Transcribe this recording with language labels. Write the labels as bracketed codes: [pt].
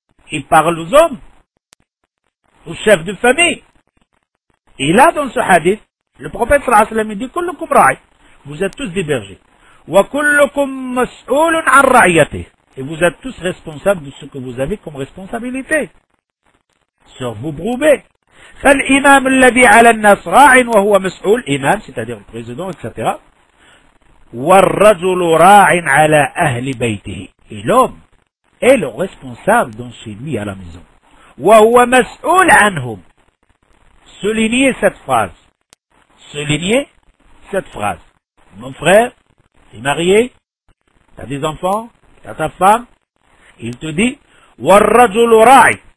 [fr] Il parle aux hommes, aux chefs de famille. Et là, dans ce hadith, le prophète sallallahu alayhi wa sallam dit, [ar] kullukum ra'i. [fr] Vous êtes tous des bergers. [ar] Wa kullukum mas'oulun an ra'iyati. [fr] Et vous êtes tous responsables de ce que vous avez comme responsabilité. Sur vos broubés. [ar] فالإمام الذي على الناس راع وهو مسؤول إمام [fr] c'est-à-dire président etc. [ar] والرجل راع على أهل بيته [fr] et l'homme est le responsable dans chez lui à la maison [ar] وهو مسؤول عنهم. [fr] Soulignez cette phrase. Soulignez cette phrase. Mon frère, tu es marié, tu as des enfants, tu as ta femme, il te dit, [ar] والرجل راع.